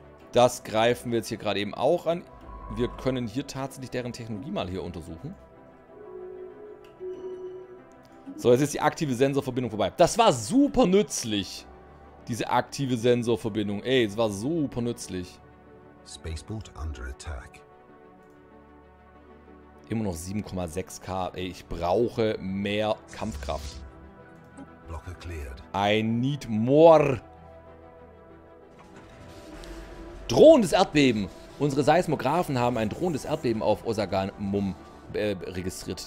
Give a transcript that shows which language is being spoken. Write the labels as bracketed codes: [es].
[de] Das greifen wir jetzt hier gerade eben auch an. Wir können hier tatsächlich deren Technologie mal hier untersuchen. So, jetzt ist die aktive Sensorverbindung vorbei. Das war super nützlich. Diese aktive Sensorverbindung. Ey, es war super nützlich. [en] Spaceport under attack. [de] Immer noch 7,6k. Ey, ich brauche mehr Kampfkraft. [en] Blocker cleared. I need more. [de] Drohendes Erdbeben. Unsere Seismografen haben ein drohendes Erdbeben auf Osagan Mum registriert.